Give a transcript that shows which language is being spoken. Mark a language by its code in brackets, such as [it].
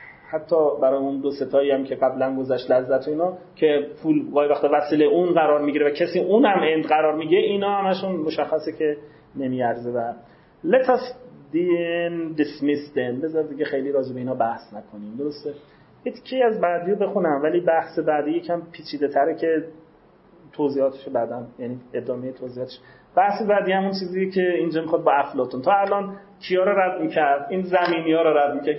[fa] حتی برای اون دو ستایی هم که قبلا گذشت، لذت اینا که پول گاهی وقتا وسیله اون قرار میگیره و کسی اونم اند قرار میگه، اینا همشون مشخصه که نمیارزه. و [en] Let us then dismiss them. [fa] بذار دیگه خیلی راجع به اینا بحث نکنیم. درسته؟ یکی از بعدی رو بخونم، ولی بحث بعدی یکم پیچیده تره که توضیحاتش رو بعدم، یعنی ادامه توضیحاتش. بحث بعدی همون چیزی که اینجا میخواد با افلاطون. تا الان کیا رو رد میکرد؟ این زمینی ها رو رد میکرد.